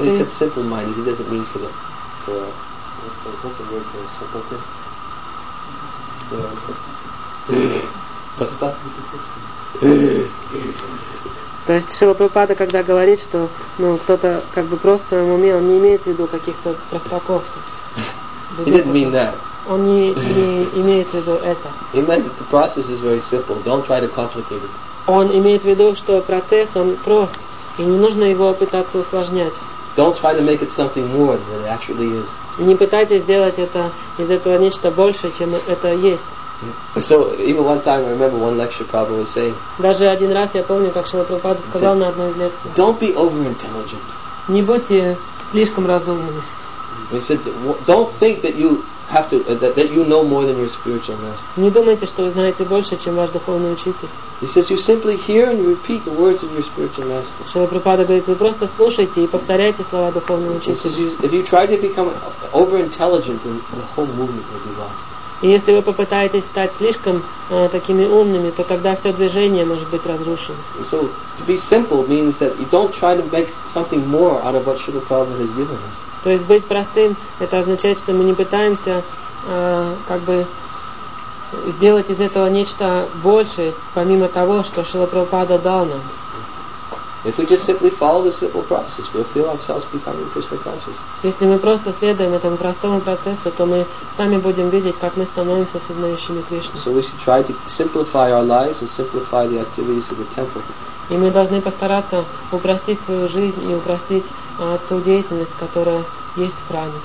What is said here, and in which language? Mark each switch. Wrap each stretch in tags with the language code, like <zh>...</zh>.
<en>When he said simple mind, he doesn't mean for the what's the word for a simple thing?</en> <ru>Просто. То есть Шрила Прабхупада, когда говорит, что ну кто-то как бы просто в своем уме, он не имеет в виду каких-то простаков.</ru> <en>He didn't mean that.</en> <ru>Он не имеет в виду это.</ru> <en>He meant that the process is very simple. Don't try to complicate it.</en> <ru>Он имеет в виду, что процесс он прост и не нужно его пытаться усложнять.</ru> <en>Don't try to make it something more than it actually is.</en> <ru>Не пытайтесь сделать это из этого нечто большее, чем это есть.</ru> <en>So even one time I remember one lecture Prabhupada was saying.</en> <ru>Даже один раз я помню, как Шрила Прабхупада сказал на одной из лекций.</ru> <en>Don't be over intelligent.</en> <ru>Не будьте слишком разумными.</ru> <en>He said, don't think that you have to that you know more than your spiritual master.</en> <ru>Не думайте, что вы знаете больше, чем ваш духовный учитель.</ru> <en>He says you simply hear and repeat the words of your spiritual master.</en> <ru>Шрила Прабхупада говорит, вы просто слушаете и повторяете слова духовного учителя.</ru> <en>He says if you try to become over intelligent, then the whole movement will be lost.</en> <ru>И если вы попытаетесь стать слишком такими умными, то тогда все движение может быть разрушено.</ru> <en>So to be simple means that you don't try to make something more out of what Shrila Prabhupada has given us.</en> <ru>То есть быть простым, это означает, что мы не пытаемся как бы сделать из этого нечто большее, помимо того, что Шрила Прабхупада дал нам.</ru> <en>If we just simply follow the simple process, we'll feel ourselves becoming Krishna conscious.</en> <ru>Если мы просто следуем этому простому процессу, то мы сами будем видеть, как мы становимся сознающими Кришну.</ru> <en>So we should try to simplify our lives and simplify the activities of the temple.</en> <ru>И мы должны постараться упростить свою жизнь и упростить ту деятельность, которая есть в храме.</ru>